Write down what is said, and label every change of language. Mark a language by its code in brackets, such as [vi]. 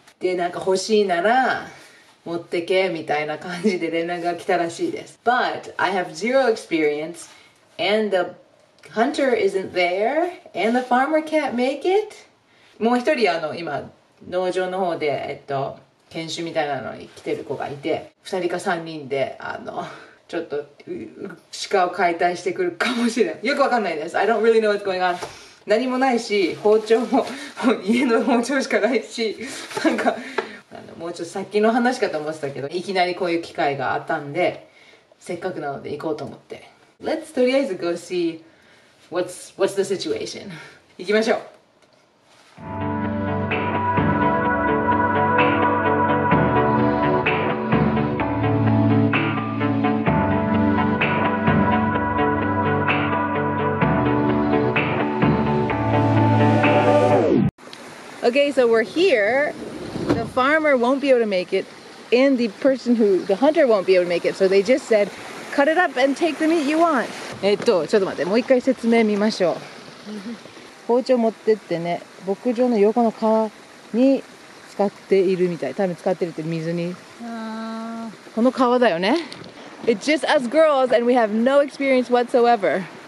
[ja] で、なんか欲しいなら持ってけみたいな感じで連絡が来たらしいです。 [en] But I have zero experience and the hunter isn't there and the farmer can't make it. [ja] もう一人今農場の方で研修みたいなのに来てる子がいて、二人か三人でちょっと鹿を解体してくるかもしれない。よくわかんないです。 [en] I don't really know what's going on. [ja] 何もないし、包丁も家の包丁しかないし、なんかもうちょっとさっきの話かと思ってたけど、いきなりこういう機会があったんで、せっかくなので行こうと思って。 [en] Let's [ja] とりあえず [en] go see what's the situation。 [ja] 行きましょう。 [en] Okay, so we're here. The farmer won't be able to make it, and the person who, the hunter won't be able to make it. So they just said, cut it up and take the meat you want. [ja] ちょっと待って、もう一回説明見ましょう。包丁持ってってね、牧場の横の川に使っているみたい。多分使ってるって水に。この川だよね。 [en] It's just us girls and we have no experience whatsoever.